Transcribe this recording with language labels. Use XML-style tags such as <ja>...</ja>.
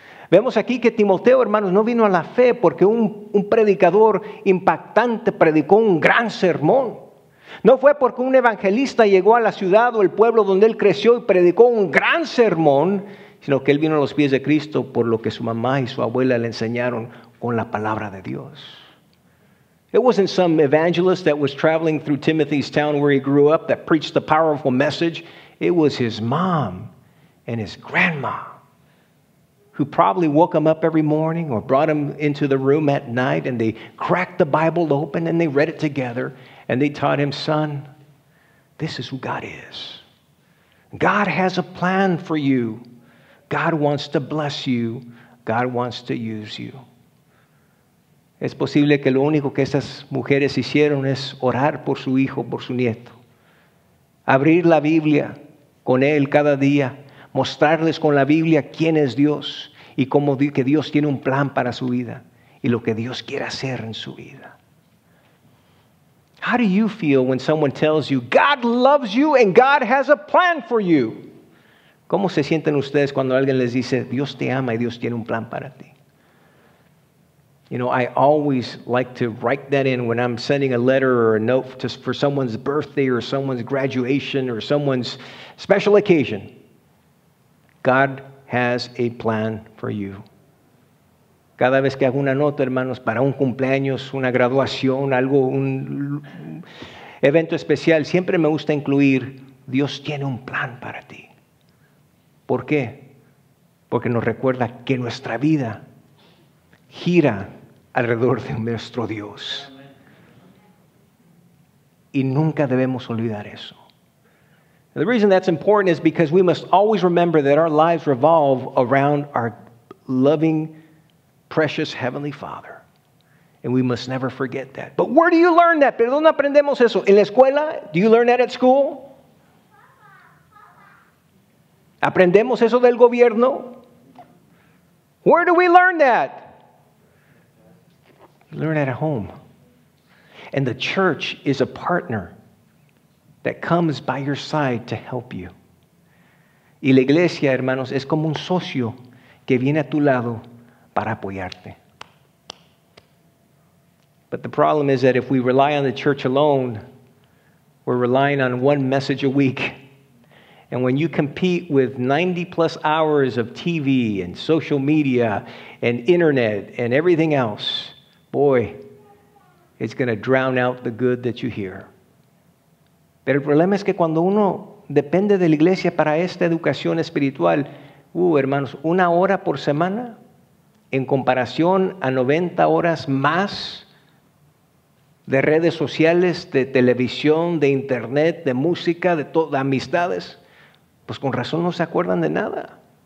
<es>Vemos aquí que Timoteo, hermanos, no vino a la fe porque un predicador impactante predicó un gran sermón. No fue porque un evangelista llegó a la ciudad o el pueblo donde él creció y predicó un gran sermón, sino que él vino a los pies de Cristo por lo que su mamá y su abuela le enseñaron con la palabra de Dios.</es> <en>It wasn't some evangelist that was traveling through Timothy's town where he grew up that preached the powerful message. It was his mom and his grandma who probably woke him up every morning or brought him into the room at night and they cracked the Bible open and they read it together. And they taught him, son, this is who God is. God has a plan for you. God wants to bless you. God wants to use you.</en> <es>Es posible que lo único que esas mujeres hicieron es orar por su hijo, por su nieto. Abrir la Biblia con él cada día. Mostrarles con la Biblia quién es Dios. Y cómo que Dios tiene un plan para su vida. Y lo que Dios quiere hacer en su vida.</es> <en>How do you feel when someone tells you God loves you and God has a plan for you?</en> <es>¿Cómo se sienten ustedes cuando alguien les dice Dios te ama y Dios tiene un plan para ti?</es> <en>You know, I always like to write that in when I'm sending a letter or a note for someone's birthday or someone's graduation or someone's special occasion. God has a plan for you.</en> <es>Cada vez que hago una nota, hermanos, para un cumpleaños, una graduación, algo, un evento especial, siempre me gusta incluir, Dios tiene un plan para ti. ¿Por qué? Porque nos recuerda que nuestra vida gira alrededor de nuestro Dios. Y nunca debemos olvidar eso.</es> <en>The reason that's important is because we must always remember that our lives revolve around our loving precious Heavenly Father. And we must never forget that. But where do you learn that?</en> <es>¿Pero dónde aprendemos eso? ¿En la escuela?</es> <en>Do you learn that at school?</en> <es>¿Aprendemos eso del gobierno?</es> <en>Where do we learn that? You learn that at home. And the church is a partner that comes by your side to help you.</en> <es>Y la iglesia, hermanos, es como un socio que viene a tu lado para apoyarte.</es> <en>But the problem is that if we rely on the church alone, we're relying on one message a week, And when you compete with 90 plus hours of TV and social media and internet and everything else, boy, it's going to drown out the good that you hear.</en> <es>Pero el problema es que cuando uno depende de la iglesia para esta educación espiritual, hermanos, una hora por semana en comparación a 90 horas más de redes sociales, de televisión, de internet, de música, de todas amistades, pues con razón no se acuerdan de nada.</es>